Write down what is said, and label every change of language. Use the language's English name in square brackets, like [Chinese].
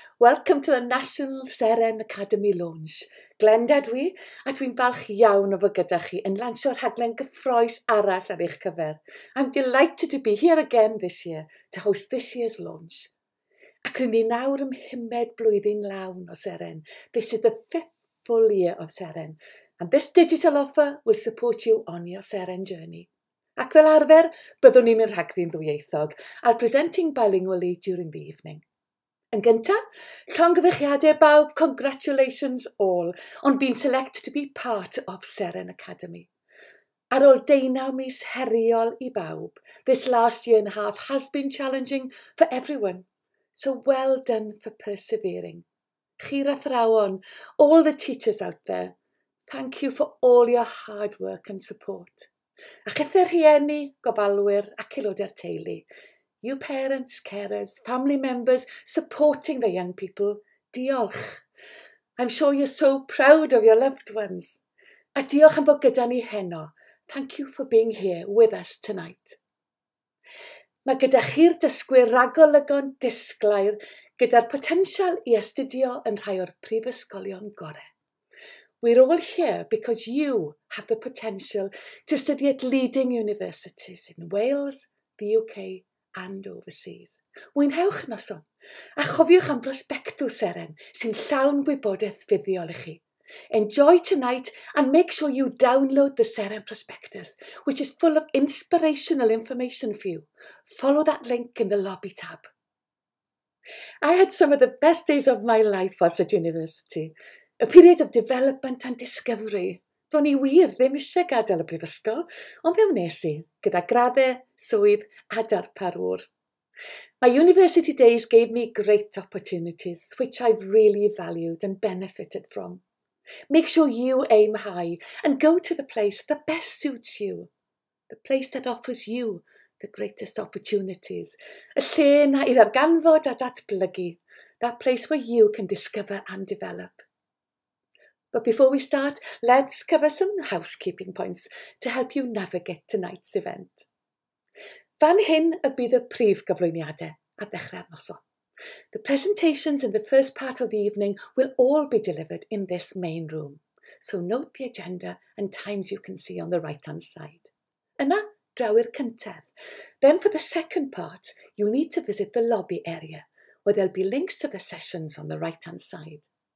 [English] Welcome to the National Seren Academy Launch. [Welsh] Glenda dwi, a dwi'n falch iawn o fod gyda chi yn lansio'r rhaglen gyffroes arall ar eich cyfer. [English] I'm delighted to be here again this year to host this year's launch. [Welsh] Ac rydyn ni nawr ym mhumed blwyddyn lawn o Seren. [English] This is the fifth full year of Seren. And this digital offer will support you on your Seren journey. [Welsh] Ac fel arfer, byddwn ni'n mynd rhagddi'n ddwyieithog, a'r [English] presenting bilingually during the evening. [Welsh] Yn gynta, llongyfeichiadau bawb, [English] congratulations all, on being selected to be part of Seren Academy. [Welsh] Ar ôl deunaw mis heriol I bawb, [English] this last year and a half has been challenging for everyone. So well done for persevering. [Welsh] Chi'r athrawon, [English] all the teachers out there, thank you for all your hard work and support. [Welsh] A chythyr hieni, gofalwyr ac aelodau'r teulu. [English] You parents, carers, family members, supporting the young people, [Welsh] diolch. [English] I'm sure you're so proud of your loved ones. [Welsh] A diolch am bod gyda ni heno. [English] Thank you for being here with us tonight. [Welsh] Mae gyda chi'r dysgwyr ragolygon disglair gyda'r potensial I astudio yn rhai o'r prifysgolion gorau. [English] We're all here because you have the potential to study at leading universities in Wales, the UK and overseas. [Welsh] Mwynhewch noson a chofiwch am brosbectw Seren sy'n llawn gwybodaeth fuddiol I chi. [English] Enjoy tonight and make sure you download the Seren Prospectus, which is full of inspirational information for you. Follow that link in the lobby tab. I had some of the best days of my life whilst at university. A period of development and discovery. [Welsh] Do'n I wir ddim eisiau gadael y brifysgol, ond fe wnes I, gyda graddau, swydd a darparwr. [English] My university days gave me great opportunities, which I've really valued and benefited from. Make sure you aim high and go to the place that best suits you. The place that offers you the greatest opportunities. [Welsh] Y lle na I ddarganfod a datblygu. [English] That place where you can discover and develop. But before we start, let's cover some housekeeping points to help you navigate tonight's event. [Welsh] Fan hyn y bydd y prif gyflwyniadau ar ddechrau'r noson. [English] The presentations in the first part of the evening will all be delivered in this main room. So note the agenda and times you can see on the right-hand side. [Welsh] Yna, draw i'r cyntedd. [English] Then for the second part, you'll need to visit the lobby area, where there'll be links to the sessions on the right-hand side.